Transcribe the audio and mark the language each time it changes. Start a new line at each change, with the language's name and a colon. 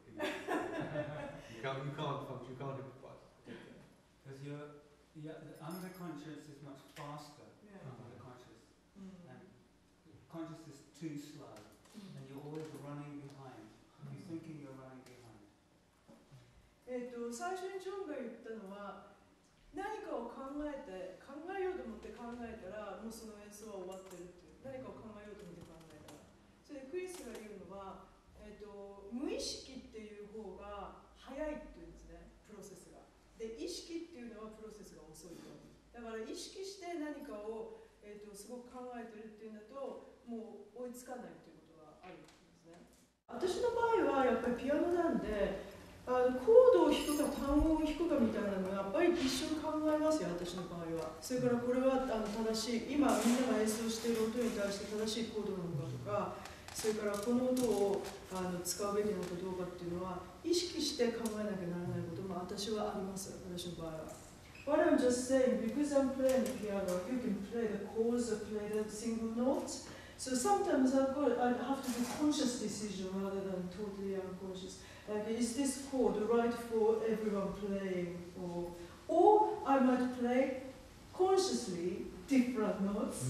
English: You can't improvise. Because the underconscious is much faster than the conscious. Mm-hmm. And conscious is too slow, mm-hmm. and you're always running behind. Mm-hmm. You're thinking you're running behind.
Japanese: 最初にジョンが言ったのは、何かを考えて、考えようと思って考えたら、もうその演奏は終わってるっていう。何かを考えようと思って考えたら。それでクリスが言うのは、無意識っていう方が早いっていうんですね、プロセスが。で、意識っていうのはプロセスが遅いと。だから意識して何かを、すごく考えてるっていうんだと、もう追いつかないっていうことがあるんですね。私の場合はやっぱりピアノなんで、コードを弾くか単音を弾くかみたいなのはやっぱり一瞬考えますよ、私の場合は。それからこれは正しい、今みんなが演奏している音に対して正しいコードなのかとか、それからこの音を使うべきなのかどうかっていうのは意識して考えなきゃならないことも私はあります、私の場合は。
English: What I'm just saying, because I'm playing the piano, you can play the chords or play the single notes. So sometimes I have to make conscious decision rather than totally unconscious. Like, is this chord right for everyone playing? Or I might play consciously different notes.、